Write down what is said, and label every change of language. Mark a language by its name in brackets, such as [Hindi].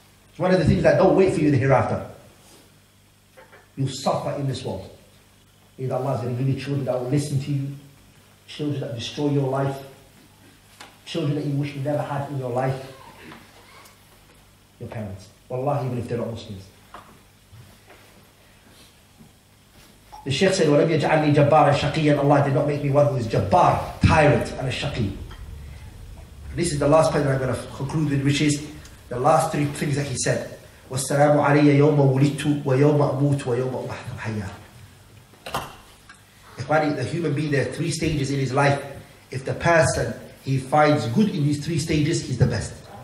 [English] It's one of the things that don't wait for you in the hereafter. You'll suffer in this world. Either Allah is going to give you children that will listen to you, children that destroy your life, children that you wish you never had in your life, your parents. Wallahi, even if they're not Muslims. The Shaykh said, [Arabic] وَلَمْ يَجْعَلْنِي جَبَّارًا شَقِيًّا. [English] Allah did not make me one who is jabbar, tyrant, and a shaqi. This is the last point that I'm going to conclude with, which is the last three things that he said. [Arabic] وَالسَّلَامُ عَلَيَّ يَوْمَ وُلِدْتُ وَيَوْمَ أَمُوتُ وَيَوْمَ أُبْعَثُ حَيًّا. [English] The human being, there are three stages in his life. If the person, he finds good in these three stages, he's the best.